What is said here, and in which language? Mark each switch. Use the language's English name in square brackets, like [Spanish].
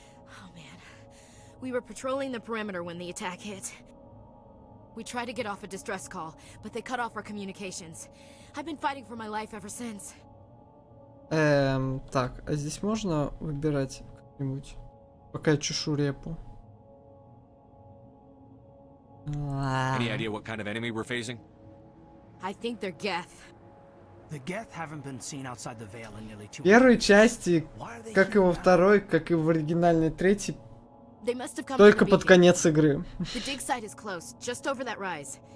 [English] Oh man, we were patrolling the perimeter when the attack hit. We tried to get off a distress call, but they cut off our communications. I've been fighting for my life ever since. [Russian] Так, а здесь можно выбирать как-нибудь? Пока я чешу репу. [English] Any idea what kind of enemy we're facing? I think they're Geth. The Geth haven't been seen outside the veil in nearly 2 years. [Russian] Первой части, как и во второй, как и в оригинальной третьей, только под конец игры. [English] The dig site is close, just over that rise.